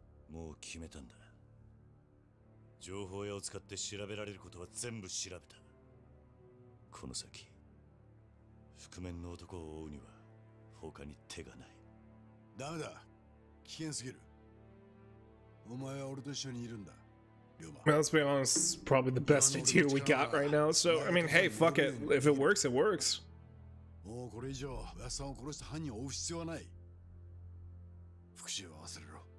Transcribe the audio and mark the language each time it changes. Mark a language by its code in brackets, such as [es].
[ja] もう決めたんだ。情報屋を使って調べられることは全部調べた。この先覆面の男を追うには他に手がない。ダメだ、危険すぎる。お前は俺と一緒にいるんだ、龍馬。 [en] Let's be honest, probably the best idea we got right now. So I mean, hey, fuck it. If it works, it works. [ja] もうこれ以上、おやっさんを殺した犯人を追う必要はない。復讐は忘れろ。